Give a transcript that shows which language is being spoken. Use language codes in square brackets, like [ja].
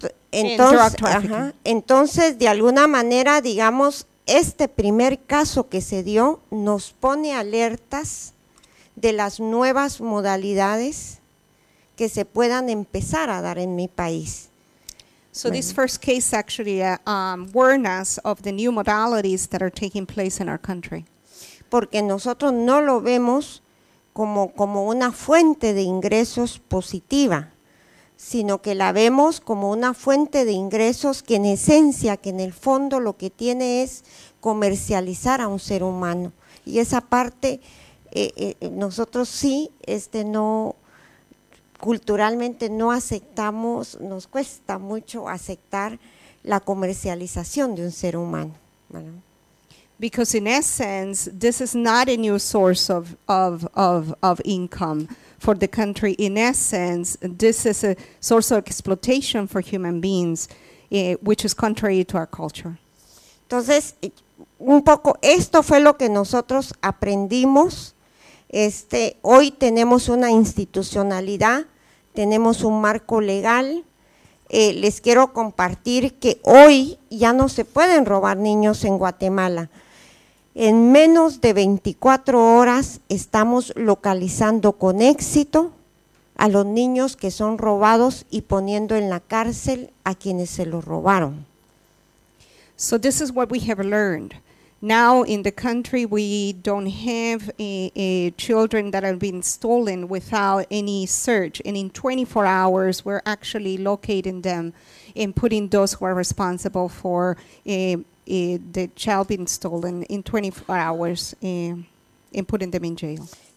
[es] Entonces, [en] drug trafficking. [es] Entonces, de alguna manera, digamos, este primer caso que se dio nos pone alertas de las nuevas modalidades que se puedan empezar a dar en mi país. [en] So this first case actually warned us of the new modalities that are taking place in our country. [es] Porque nosotros no lo vemos como una fuente de ingresos positiva, sino que la vemos como una fuente de ingresos que en esencia, que en el fondo lo que tiene es comercializar a un ser humano. Y esa parte nosotros sí no culturalmente no aceptamos, nos cuesta mucho aceptar la comercialización de un ser humano. Bueno. [en] Because in essence, this is not a new source of income for the country. In essence, this is a source of exploitation for human beings, which is contrary to our culture. [es] Entonces, un poco esto fue lo que nosotros aprendimos. Hoy tenemos una institucionalidad. Tenemos un marco legal. Les quiero compartir que hoy ya no se pueden robar niños en Guatemala. En menos de 24 horas estamos localizando con éxito a los niños que son robados y poniendo en la cárcel a quienes se los robaron. [en] So this is what we have learned. Now in the country we don't have children that have been stolen without any search. And in 24 hours we're actually locating them and putting those who are responsible for the child being stolen in 24 hours and putting them in jail.